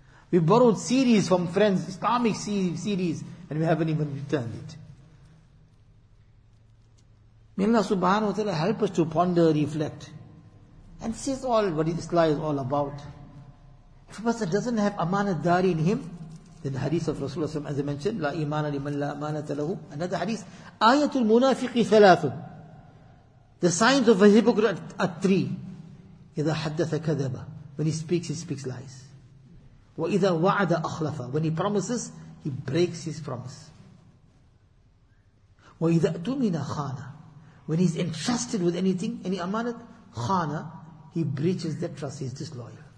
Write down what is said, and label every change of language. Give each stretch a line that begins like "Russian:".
English: We borrowed series from friends, Islamic series, and we haven't even returned it. May Allah subhanahu wa ta'ala help us to ponder, reflect, and see all what Islam is all about. If a person doesn't have amanat dari in him, the hadith of Rasulullah SAW, as I mentioned,
Arabic: لا إيمان لمن لا أمانة له.
English: Another hadith,
Arabic: آية المنافق ثلاث.
English: The signs of a hypocrite are three.
Arabic: إذا حدث كذبا.
English: When he speaks lies.
Arabic: وإذا وعد أخلفا.
English: When he promises, he breaks his promise.
Arabic: وإذا أتمنى خانا.
English: When he's entrusted with anything, any amanat, خانا, he breaches that trust, he's disloyal.